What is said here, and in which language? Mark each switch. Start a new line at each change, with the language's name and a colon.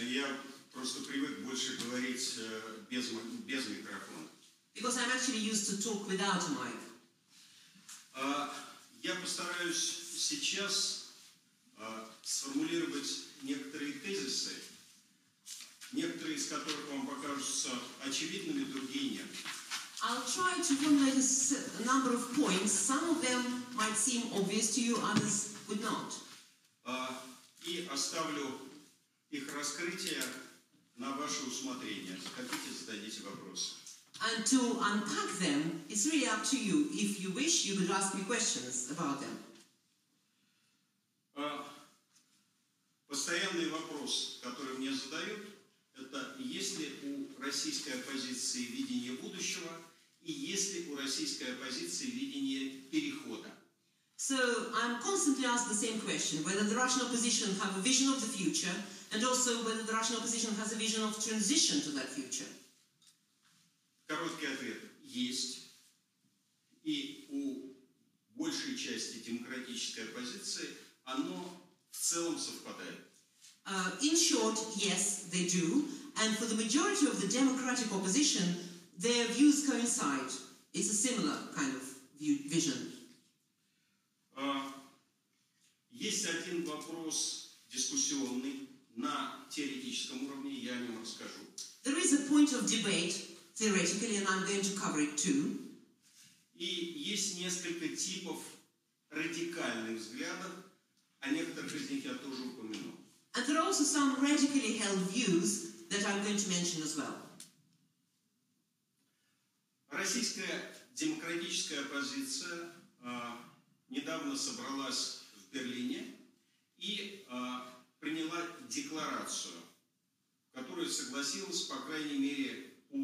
Russian: Я просто привык больше говорить без микрофона.
English: Because I'm actually used to talk without a mic.
Russian: Я постараюсь сейчас сформулировать некоторые тезисы, некоторые из которых вам покажутся очевидными, другие нет.
English: I'll try to formulate a number of points. Some of them might seem obvious to you, others would not.
Russian: И оставлю их раскрытие на ваше усмотрение. Хотите, зададите вопросы.
English: And to unpack them, it's really up to you. If you wish, you could ask me questions about them.
Russian: Постоянный вопрос, который мне задают, это есть ли у российской оппозиции видение будущего и есть ли у российской оппозиции видение перехода.
English: So I'm constantly asked the same question, whether the Russian opposition have a vision of the future and also whether the Russian opposition has a vision of transition to that future.
Russian: Короткий ответ – есть. И у большей части демократической оппозиции оно в целом совпадает.
English: In short, yes, they do. And for the majority of the democratic opposition, their views coincide. It's a similar kind of vision.
Russian: Есть один вопрос дискуссионный на теоретическом уровне, я о нем расскажу.
English: There is a point of debate. Theoretically, and I'm going to cover it too.
Russian: И есть несколько типов радикальных взглядов, о некоторых из них я тоже упомяну.
English: And there are also some radically held views that I'm going to mention as well.
Russian: Российская демократическая оппозиция недавно собралась в Берлине и приняла декларацию, в которой согласилась, по крайней мере,